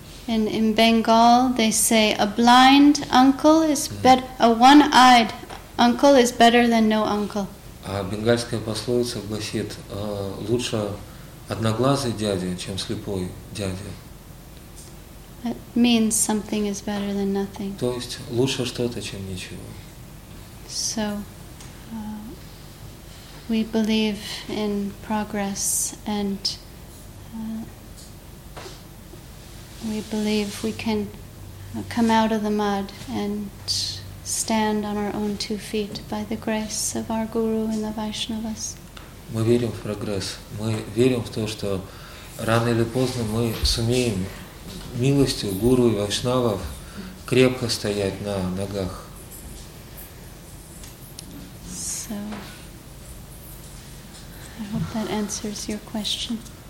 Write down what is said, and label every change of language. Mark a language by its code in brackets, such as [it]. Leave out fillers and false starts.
[en] And in Bengal, they say a blind uncle is better, a one-eyed uncle is better than no uncle. [ru] А бенгальская пословица гласит, лучше одноглазый дядя, чем слепой дядя. [en] That means something is better than nothing. [ru] То есть лучше что-то, чем ничего. [en] So. We believe in progress and we believe we can come out of the mud and stand on our own two feet by the grace of our Guru and the Vaishnavas. [ru] Мы верим в прогресс. Мы верим в то, что рано или поздно мы сумеем милостью Гуру и Вайшнавов крепко стоять на ногах. [en] So, I hope that answers your question.